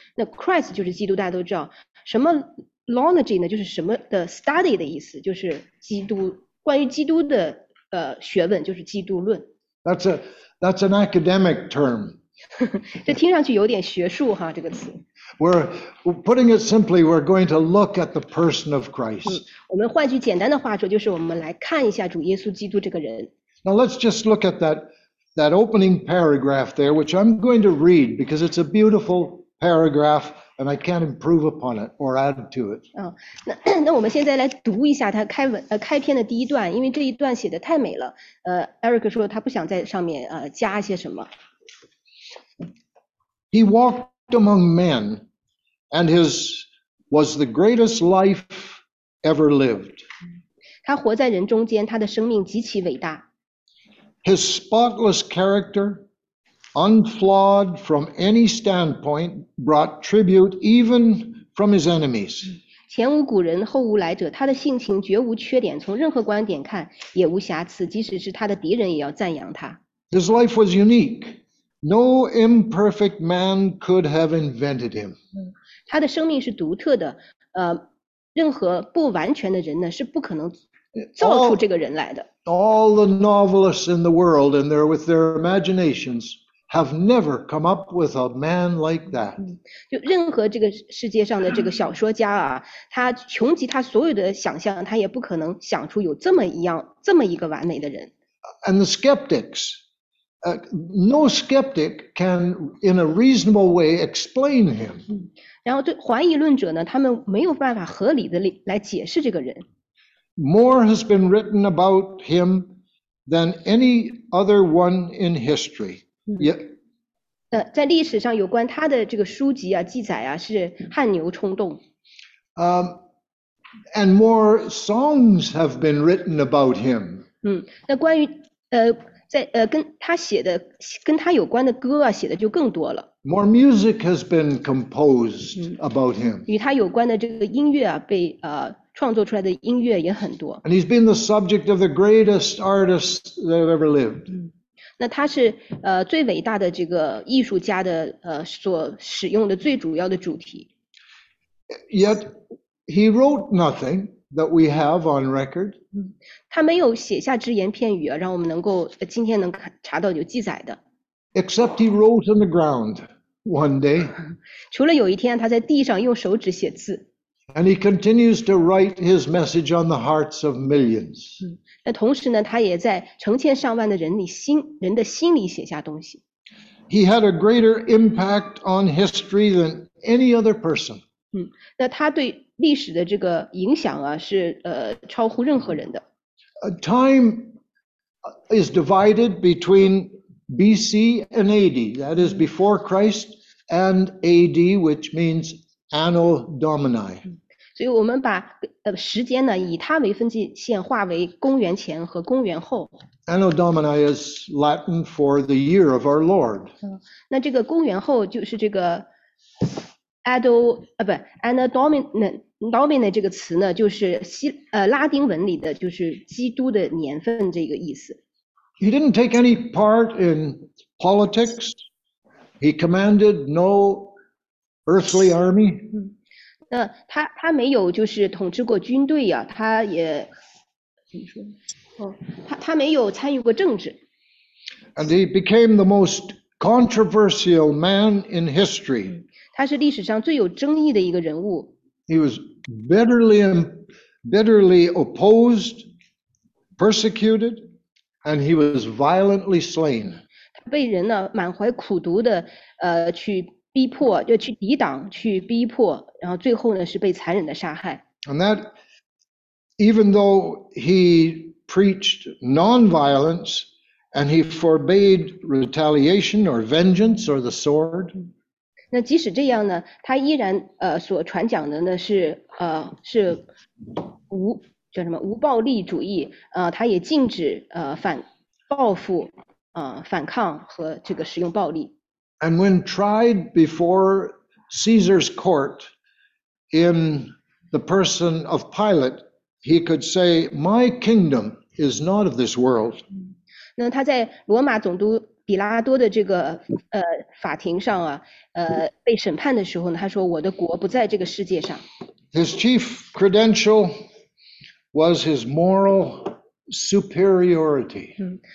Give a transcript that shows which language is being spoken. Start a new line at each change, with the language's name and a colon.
Chinese: 那 Christ 就是基督，大家都知道。什么 Lology 呢？就是什么的 study 的意思，就是基督，关于基督的学问就是基督论。
English: That's an academic term.
Chinese: 这听上去有点学术哈，这个词。
English: We're putting it simply, we're going to look at the person of Christ.
Chinese: 我们换句简单的话说，就是我们来看一下主耶稣基督这个人。
English: Now let's just look at that opening paragraph there, which I'm going to read because it's a beautiful paragraph. And I can't improve upon it or add to it.
Chinese: 那我们现在来读一下他开篇的第一段，因为这一段写的太美了。 Eric 说他不想在上面加些什么。
English: He walked among men, and his was the greatest life ever lived.
Chinese: 他活在人中间，他的生命极其伟大。
English: His spotless character. Unflawed from any standpoint, brought tribute even from his enemies.
Chinese: 前无古人，后无来者，他的性情绝无缺点，从任何观点看也无瑕疵，即使是他的敌人也要赞扬他。
English: His life was unique. No imperfect man could have invented him.
Chinese: 他的生命是独特的，任何不完全的人呢，是不可能造出这个人来的。
English: All the novelists in the world and they're with their imaginations. Have never come up with a man like that.
Chinese: 就任何这个世界上的这个小说家啊，他穷极他所有的想象，他也不可能想出有这么一个完美的人。
English: And the skeptics No skeptic can, in a reasonable way, explain him.
Chinese: 然后对怀疑论者呢，他们没有办法合理的来解释这个人。
English: More has been written about him than any other one in history. Yet,
Chinese: 在历史上有关他的这个书籍啊，记载啊，是汗牛充栋。
English: And more songs have been written about him.
Chinese: 那关于跟他有关的歌啊，写的就更多了。
English: More music has been composed about him.
Chinese: 与他有关的这个音乐啊，被创作出来的音乐也很多。
English: And he's been the subject of the greatest artists that have ever lived.
Chinese: 那他是最伟大的这个艺术家的所使用的最主要的主题。
English: Yet he wrote nothing that we have on record.
Chinese: 他没有写下只言片语啊，让我们能够今天能查到有记载的。
English: Except he wrote on the ground one day.
Chinese: 除了有一天他在地上用手指写字。
English: And he continues to write his message on the hearts of millions.
Chinese: 那同时呢，他也在成千上万的人的心里写下东西。
English: He had a greater impact on history than any other person.
Chinese: 那他对历史的这个影响啊，是超乎任何人的。
English: Time is divided between B.C. and A.D. That is before Christ and A.D., which means Anno Domini.
Chinese: 所以我们把时间呢，以它为分界线，划为公元前和公元后。
English: Anno Domini is Latin for the year of our Lord.
Chinese: 那这个公元后就是这个 Anno Domini 这个词呢，就是拉丁文里的就是基督的年份这个意思。
English: He didn't take any part in politics. He commanded no earthly army.
Chinese: 那他没有就是统治过军队呀、啊，他也怎么说？他没有参与过政治。
English: And he became the most controversial man in history.
Chinese: 他是历史上最有争议的一个人物。
English: He was bitterly opposed, persecuted, and he was violently slain.
Chinese: 他被人呢满怀苦毒的去逼迫，就去抵挡，去逼迫，然后最后呢是被残忍的杀害。
English: And that, even though he preached non-violence and he forbade retaliation or vengeance or the sword.
Chinese: 那即使这样呢，他依然所传讲的呢是叫什么无暴力主义，他也禁止反报复，反抗和这个使用暴力。
English: And when tried before Caesar's court in the person of Pilate, he could say, "My kingdom is not of this world."
Chinese: 那他在罗马总督比拉多的这个法庭上啊，被审判的时候呢，他说：“我的国不在这个世界上。”
English: His chief credential was his moral superiority.